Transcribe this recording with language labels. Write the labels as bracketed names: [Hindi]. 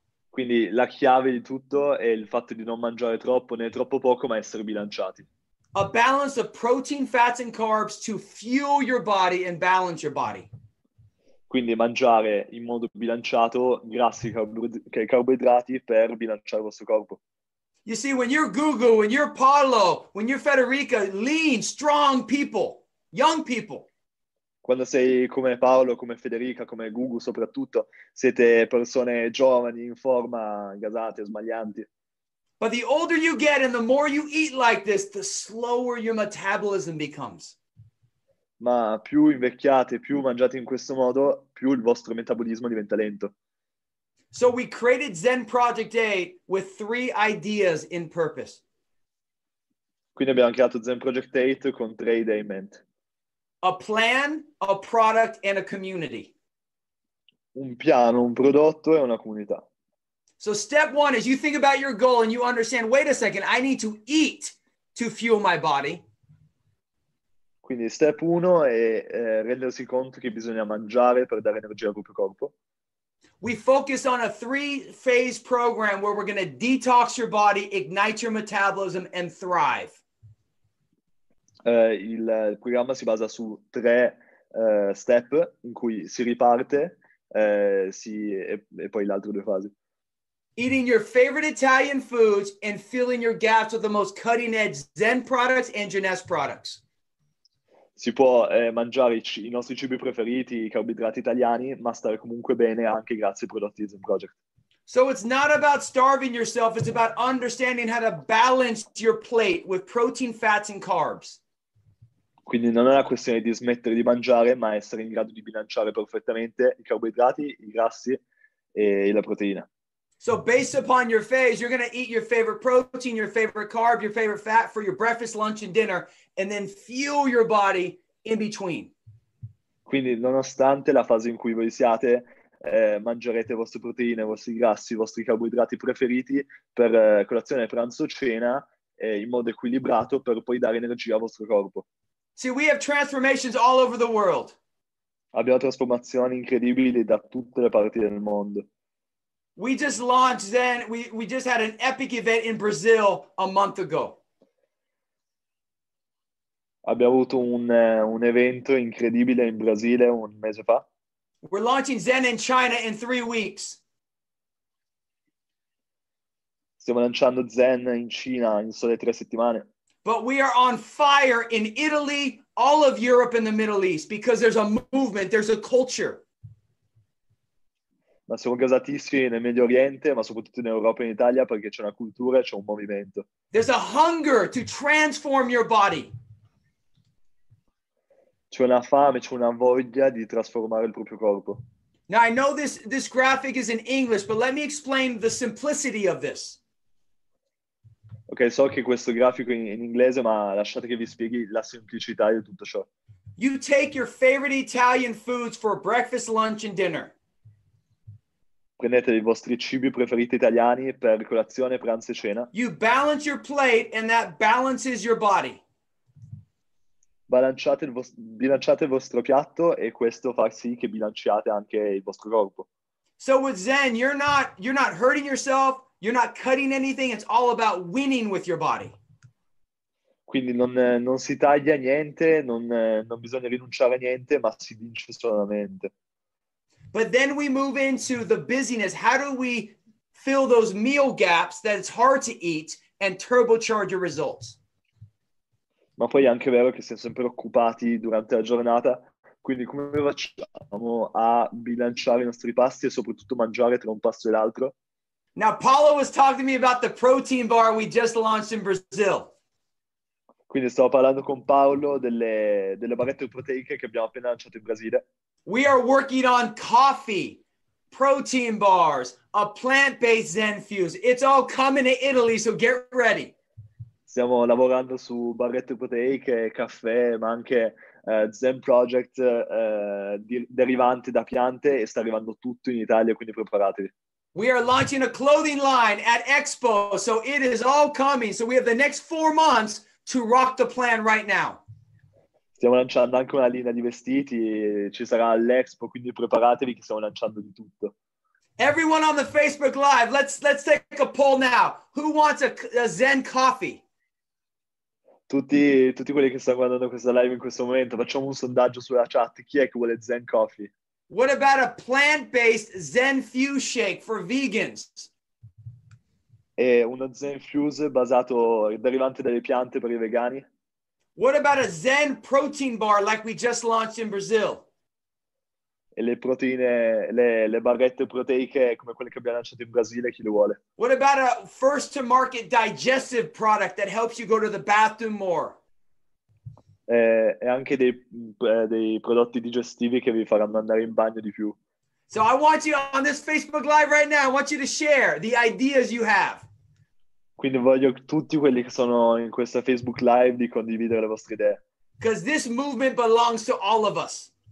[Italian] Quindi la chiave di tutto è il fatto di non mangiare troppo né troppo poco, ma essere bilanciati. [English] A balance of protein, fats and carbs to fuel your body and balance your body. [Italian] Quindi mangiare in modo bilanciato grassi e carboidrati per bilanciare il vostro corpo. [English] You see, when you're Gugu, when you're Paolo, when you're Federica, lean, strong people, young people. [Italian] Quando sei come Paolo, come Federica, come Gugu soprattutto, siete persone giovani, in forma, gasate, smaglianti. [English] But the older you get and the more you eat like this, the slower your metabolism becomes. [Italian] Ma più invecchiate, più mangiate in questo modo, più il vostro metabolismo diventa lento. [English] So we created Zen Project 8 with three ideas in purpose. [Italian] Quindi abbiamo creato Zen Project 8 con tre idee in mente. [English] A plan, a product, and a community. [Italian] Un piano, un prodotto e una comunità. [English] So step one is you think about your goal and you understand, wait a second, I need to eat to fuel my body. [Italian] Quindi step uno è rendersi conto che bisogna mangiare per dare energia al proprio corpo. [English] We focus on a three-phase program where we're going to detox your body, ignite your metabolism, and thrive. [Italian] Il programma si basa su tre step in cui si riparte e poi le altre due fasi. [English] Eating your favorite Italian foods and filling your gaps with the most cutting-edge Zen products and Jeunesse products. [Italian] Si può mangiare i nostri cibi preferiti, i carboidrati italiani, ma stare comunque bene anche grazie ai prodotti di Zen Project. [English] So it's not about starving yourself, it's about understanding how to balance your plate with protein, fats and carbs. [Italian] Quindi non è una questione di smettere di mangiare, ma essere in grado di bilanciare perfettamente i carboidrati, i grassi e la proteina. [English] So based upon your phase, you're going to eat your favorite protein, your favorite carb, your favorite fat for your breakfast, lunch and dinner, and then fuel your body in between. [Italian] Quindi nonostante la fase in cui voi siate, mangerete le vostre proteine, i vostri grassi, i vostri carboidrati preferiti per colazione, pranzo, cena, in modo equilibrato per poi dare energia al vostro corpo. [English] See, we have transformations all over the world. [Italian] Abbiamo trasformazioni incredibili da tutte le parti del mondo. [English] We just launched then, we just had an epic event in Brazil a month ago. [Italian] Abbiamo avuto un evento incredibile in Brasile un mese fa. [English] We're launching Zen in China in 3 weeks. [Italian] Stiamo lanciando Zen in Cina in sole 3 settimane. [English] But we are on fire in Italy, all of Europe and the Middle East, because there's a movement, there's a culture. [Italian] Ma siamo gasatissimi nel Medio Oriente, ma soprattutto in Europa e in Italia, perché c'è una cultura e c'è un movimento. [English] There's a hunger to transform your body. [Italian] C'è una fame, c'è una voglia di trasformare il proprio corpo. [English] Now I know this graphic is in English, but let me explain the simplicity of this. [Italian] Ok, so che questo grafico è in inglese, ma lasciate che vi spieghi la semplicità di tutto ciò. [English] You take your favorite Italian foods for breakfast, lunch and dinner. [Italian] Prendete i vostri cibi preferiti italiani per colazione, pranzo e cena. [English] You balance your plate and that balances your body. [Italian] Bilanciate il vostro piatto e questo fa sì che bilanciate anche il vostro corpo. [English] So with Zen, you're not hurting yourself, you're not cutting anything, it's all about winning with your body. [Italian] Quindi non si taglia niente, non bisogna rinunciare a niente, ma si vince solamente. [English] But then we move into the busyness. How do we fill those meal gaps that it's hard to eat and turbocharge your results? [Italian] Ma poi è anche vero che siamo sempre occupati durante la giornata, quindi come facciamo a bilanciare i nostri pasti e soprattutto mangiare tra un pasto e l'altro? [English] Now Paolo was talking to me about the protein bar we just launched in Brazil. [Italian] Quindi stavo parlando con Paolo delle barrette proteiche che abbiamo appena lanciato in Brasile. [English] We are working on coffee, protein bars, a plant-based Zen Fuse. It's all coming to Italy, so get ready. [Italian] Stiamo lavorando su barrette proteiche, caffè, ma anche Zen Project derivante da piante e sta arrivando tutto in Italia, quindi preparatevi. [English] We are launching a clothing line at Expo, so it is all coming. So we have the next 4 months to rock the plan right now. [Italian] Stiamo lanciando anche una linea di vestiti, ci sarà l'Expo, quindi preparatevi che stiamo lanciando di tutto. [English] Everyone on the Facebook Live, let's take a poll now. Who wants a Zen coffee? [Italian] Tutti quelli che stanno guardando questa live in questo momento, facciamo un sondaggio sulla chat. Chi è che vuole Zen coffee? [English] What about a plant-based Zen Fuse shake for vegans? [Italian] E uno Zen Fuse basato, derivante dalle piante per i vegani? [English] What about a Zen protein bar like we just launched in Brazil? [Italian] E le proteine, le barrette proteiche come quelle che abbiamo lanciato in Brasile, chi le vuole? [English] What about a first to market digestive product that helps you go to the bathroom more? [Italian] E anche dei prodotti digestivi che vi faranno andare in bagno di più. [English] So I want you on this Facebook Live right now, I want you to share the ideas you have. [Italian] Quindi voglio tutti quelli che sono in questa Facebook Live di condividere le vostre idee. [English] Because this movement belongs to all of us.